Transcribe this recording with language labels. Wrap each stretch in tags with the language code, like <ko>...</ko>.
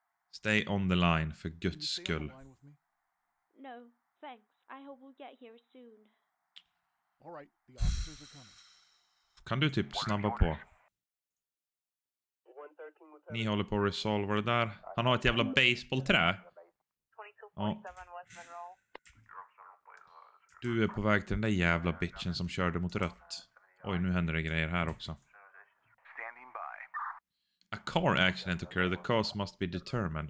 <en>Stay on the line,</en> <sv>för guds skull.</sv> <en>No, thanks. I hope we'll get here soon. All right, the officers are coming.</en> <sv>Kan du typ snabba på? Ni håller på att resolva det där. Han har ett jävla baseballträ. Oh. Du är på väg till den där jävla bitchen som körde mot rött. Oj, nu händer det grejer här också.</sv> <en>A car accident occurred. The cause must be determined.</en>